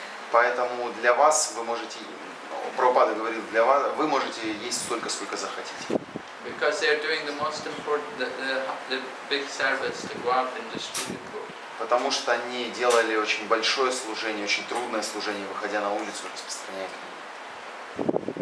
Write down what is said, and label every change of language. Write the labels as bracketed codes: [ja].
[ru] Поэтому для вас вы можете, Прабхупада говорил, для вас вы можете есть столько, сколько захотите. [en] Because they are doing the most important, the big service to go out and distribute books. [ru] Потому что они делали очень большое служение, очень трудное служение, выходя на улицу и распространяя книги.